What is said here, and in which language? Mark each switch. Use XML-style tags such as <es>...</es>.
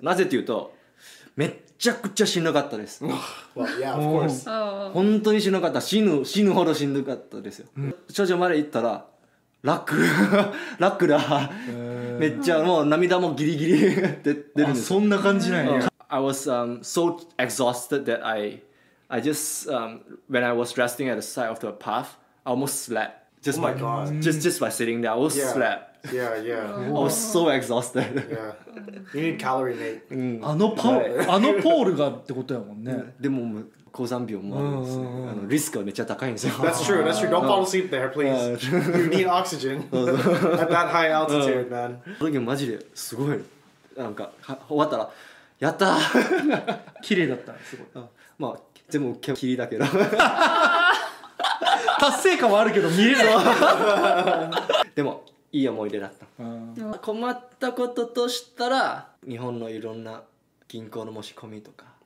<ja>なぜっていうと、めっちゃくちゃしんどかったです。</ja> <en>Well, yeah, of course.</en> <ja>本当にしんどかった。死ぬほどしんどかったですよ。頂上まで行ったら、楽だ。めっちゃもう涙もギリギリ出るんです。そんな感じなんや。</ja> <en>I was so exhausted that I just when I was resting at the side of the path, I almost slept. Just my God. Just by sitting there, I almost slept. Yeah. I was so exhausted. Yeah. You need calorie, mate.</en> <ja>あのポールがってことやもんね。でも高山病もあのリスクはめっちゃ高いんですよ。</ja> <en>That's true. That's true. Don't fall asleep there, please. You need oxygen at that high altitude, man.</en> <ja>その時マジですごい、なんか終わったらやった。綺麗だった。すごい。まあ全部キリだけど。達成感はあるけど見えない。でも。いい思い出だった。あ、困ったこととしたら日本のいろんな銀行の申し込みとか、</ja>